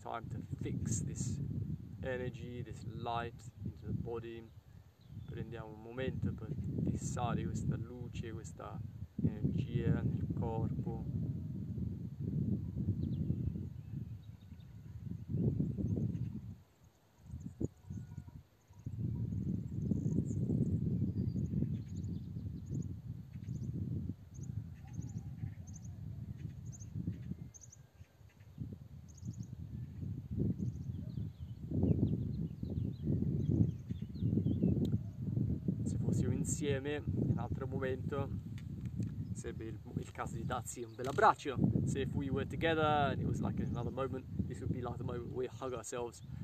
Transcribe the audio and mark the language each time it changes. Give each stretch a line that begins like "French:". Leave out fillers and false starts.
English: To fix this energy, this light into the body.
Italian: Prendiamo un momento per fissare questa luce, questa energia nel corpo. Insieme, in un altro momento, sarebbe il caso di darsi un bel abbraccio.
English: So if we were together and it was like another moment, this would be like the moment we hug ourselves.